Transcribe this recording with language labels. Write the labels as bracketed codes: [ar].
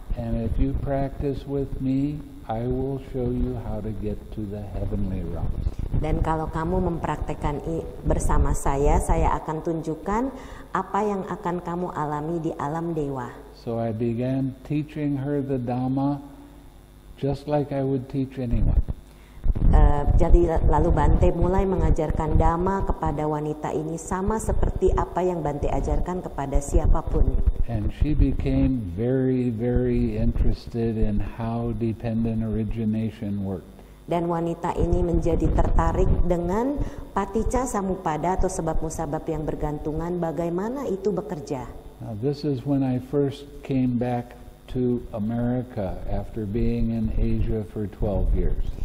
[en] And if you practice with me, I will show you how to get to the heavenly realm. [ms] Dan kalau kamu mempraktekkan bersama saya akan tunjukkan apa yang akan kamu alami di alam dewa. [en] So I began teaching her the Dhamma just like I would teach anyone. [ms] Jadi lalu Bhante mulai mengajarkan Dhamma kepada wanita ini sama seperti apa yang Bhante ajarkan kepada siapapun. [en] And she became very, very interested in how dependent origination worked. [ms] Dan wanita ini menjadi tertarik dengan paticca samuppada atau sebab musabab yang bergantungan, bagaimana itu bekerja. [en] Now, this is when I first came back to America after being in Asia for 12 years.